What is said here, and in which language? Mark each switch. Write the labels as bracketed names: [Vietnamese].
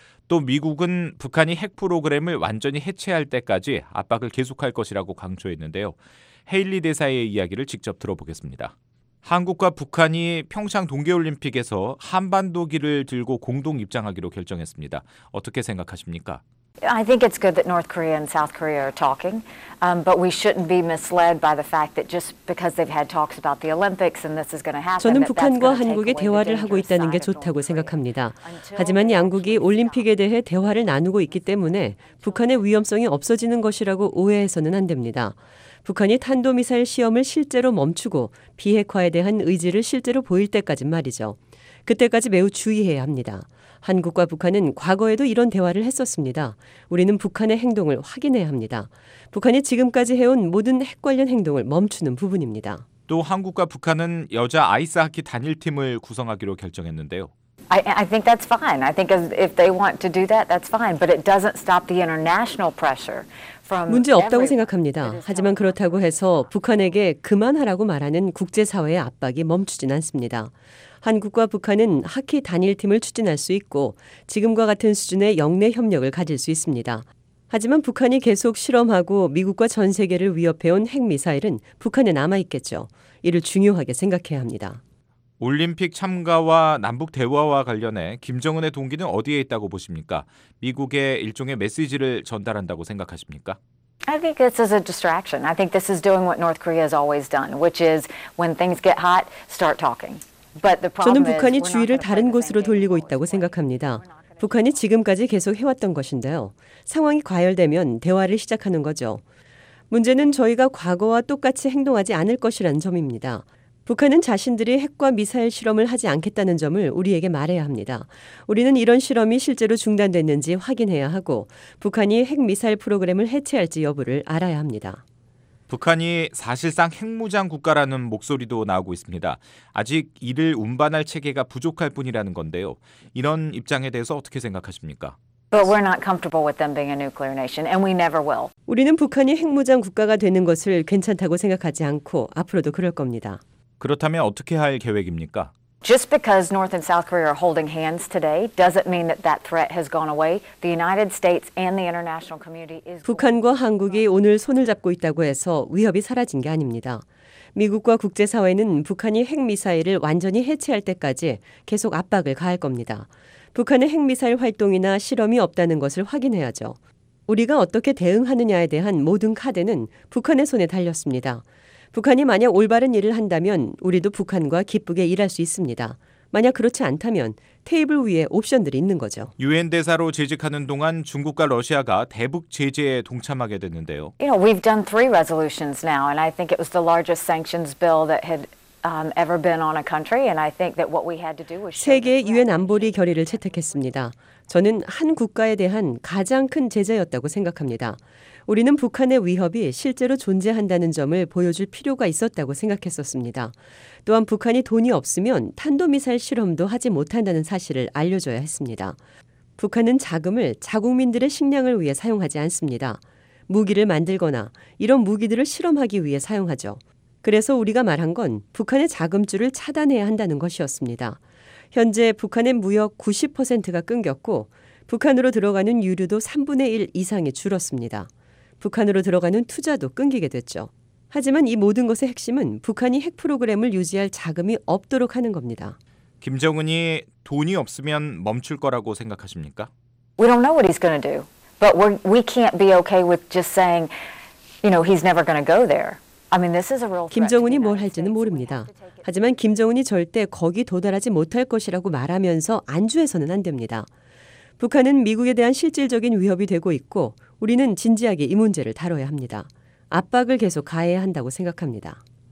[Korean] 또 미국은 북한이 핵 프로그램을 완전히 해체할 때까지 압박을 계속할 것이라고 강조했는데요. 헤일리 대사의 이야기를 직접 들어보겠습니다. 한국과 북한이 평창 동계올림픽에서 한반도기를 들고 공동 입장하기로 결정했습니다. 어떻게 생각하십니까? [English] I think it's good that North Korea and South Korea are talking, but we shouldn't be misled by the fact that just because they've had talks about the Olympics and this is going to happen. [Korean] 저는 북한과 한국이 대화를 하고 있다는 게 좋다고 생각합니다. 하지만 양국이 올림픽에 대해 대화를 나누고 있기 때문에 북한의 위험성이 없어지는 것이라고 오해해서는 안 됩니다. 북한이 탄도미사일 시험을 실제로 멈추고 비핵화에 대한 의지를 실제로 보일 때까지 말이죠. 그때까지 매우 주의해야 합니다. 한국과 북한은 과거에도 이런 대화를 했었습니다. 우리는 북한의 행동을 확인해야 합니다. 북한이 지금까지 해온 모든 핵 관련 행동을 멈추는 부분입니다. 또 한국과 북한은 여자 아이스하키 단일팀을 구성하기로 결정했는데요. [English] I think that's fine. I think if they want to do that, that's fine. But it doesn't stop the international pressure. [Korean] 문제 없다고 생각합니다. 하지만 그렇다고 해서 북한에게 그만하라고 말하는 국제사회의 압박이 멈추진 않습니다. 한국과 북한은 하키 단일팀을 추진할 수 있고 지금과 같은 수준의 영내 협력을 가질 수 있습니다. 하지만 북한이 계속 실험하고 미국과 전 세계를 위협해온 핵미사일은 북한에 남아있겠죠. 이를 중요하게 생각해야 합니다. 올림픽 참가와 남북 대화와 관련해 김정은의 동기는 어디에 있다고 보십니까? 미국에 일종의 메시지를 전달한다고 생각하십니까? [English] I think this is a distraction. I think this is doing what North Korea has always done, which is when things get hot, start talking. But the problem [Korean] 저는 북한이 주의를 다른 곳으로 돌리고 있다고 생각합니다. 북한이 지금까지 계속 해왔던 것인데요. 상황이 과열되면 대화를 시작하는 거죠. 문제는 저희가 과거와 똑같이 행동하지 않을 것이라는 점입니다. 북한은 자신들이 핵과 미사일 실험을 하지 않겠다는 점을 우리에게 말해야 합니다. 우리는 이런 실험이 실제로 중단됐는지 확인해야 하고 북한이 핵미사일 프로그램을 해체할지 여부를 알아야 합니다. 북한이 사실상 핵무장 국가라는 목소리도 나오고 있습니다. 아직 이를 운반할 체계가 부족할 뿐이라는 건데요. 이런 입장에 대해서 어떻게 생각하십니까? [English] But we're not comfortable with them being a nuclear nation, and we never will. [Korean] 우리는 북한이 핵무장 국가가 되는 것을 괜찮다고 생각하지 않고 앞으로도 그럴 겁니다. 그렇다면 어떻게 할 계획입니까? [English] Just because North and South Korea are holding hands today doesn't mean that that threat has gone away. The United States and the international community is [Korean] 북한과 한국이 오늘 손을 잡고 있다고 해서 위협이 사라진 게 아닙니다. 미국과 국제 사회는 북한이 핵 미사일을 완전히 해체할 때까지 계속 압박을 가할 겁니다. 북한의 핵 미사일 활동이나 실험이 없다는 것을 확인해야죠. 우리가 어떻게 대응하느냐에 대한 모든 카드는 북한의 손에 달렸습니다. 북한이 만약 올바른 일을 한다면 우리도 북한과 기쁘게 일할 수 있습니다. 만약 그렇지 않다면 테이블 위에 옵션들이 있는 거죠. 유엔 대사로 재직하는 동안 중국과 러시아가 대북 제재에 동참하게 됐는데요. [English] You know, we've done three resolutions now, and I think it was the largest sanctions bill that had ever been on a country, and I think that what we had to do was. [Korean] 세계 유엔 안보리 결의를 채택했습니다. 저는 한 국가에 대한 가장 큰 제재였다고 생각합니다. 우리는 북한의 위협이 실제로 존재한다는 점을 보여줄 필요가 있었다고 생각했었습니다. 또한 북한이 돈이 없으면 탄도미사일 실험도 하지 못한다는 사실을 알려줘야 했습니다. 북한은 자금을 자국민들의 식량을 위해 사용하지 않습니다. 무기를 만들거나 이런 무기들을 실험하기 위해 사용하죠. 그래서 우리가 말한 건 북한의 자금줄을 차단해야 한다는 것이었습니다. 현재 북한의 무역 90%가 끊겼고 북한으로 들어가는 유류도 3분의 1 이상이 줄었습니다. 북한으로 들어가는 투자도 끊기게 됐죠. 하지만 이 모든 것의 핵심은 북한이 핵 프로그램을 유지할 자금이 없도록 하는 겁니다. 김정은이 돈이 없으면 멈출 거라고 생각하십니까? [English] We don't know what he's going to do. But we can't be okay with just saying, you know, he's never going to go there. I mean, this is a real. [Korean] 김정은이 뭘 할지는 모릅니다. 하지만 김정은이 절대 거기 도달하지 못할 것이라고 말하면서 안주해서는 안 됩니다. 북한은 미국에 대한 실질적인 위협이 되고 있고 우리는 진지하게 이 문제를 다뤄야 합니다. 압박을 계속 가해야 한다고 생각합니다.